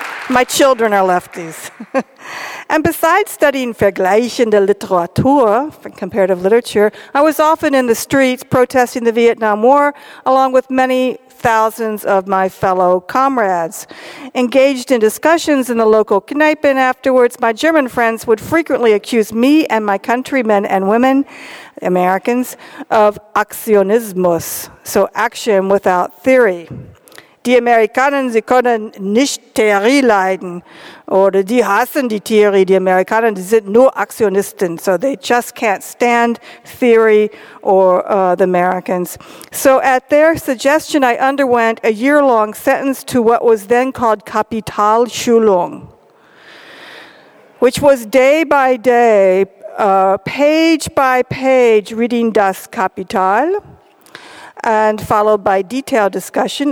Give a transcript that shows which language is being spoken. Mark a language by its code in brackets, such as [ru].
[en] My children are lefties. And besides studying [de] vergleichende Literatur, [en] comparative literature, I was often in the streets protesting the Vietnam War along with many thousands of my fellow comrades. Engaged in discussions in the local Kneipen afterwards, my German friends would frequently accuse me and my countrymen and women, Americans, of actionismus, so action without theory. [de] die Amerikaner, sie können nicht Theorie leiden. Oder die hassen die Theorie, die Amerikaner, die sind nur Aktionisten. [en] So they just can't stand theory or the Americans. So at their suggestion, I underwent a year-long sentence to what was then called Kapitalschulung, which was day by day, page by page, reading Das Kapital, and followed by detailed discussion.